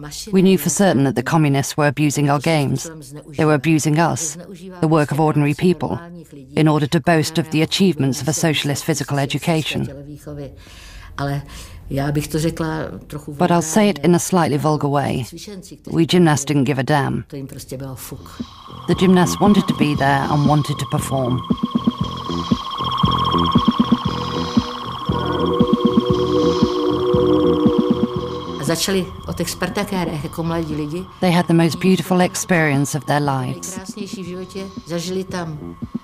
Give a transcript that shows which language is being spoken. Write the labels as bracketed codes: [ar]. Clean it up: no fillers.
[en] We knew for certain that the communists were abusing our games. They were abusing us, the work of ordinary people, in order to boast of the achievements of a socialist physical education. [cs] ale já bych to řekla trochu vulgárně. [en] But I'll say it in a slightly vulgar way. We gymnasts didn't give a damn. [cs] To jim prostě bylo fuk. [en] The gymnasts wanted to be there and wanted to perform. [cs] Začali od expertakérech jako mladí lidi. [en] They had the most beautiful experience of their lives. [cs] Nejkrásnější v životě zažili tam.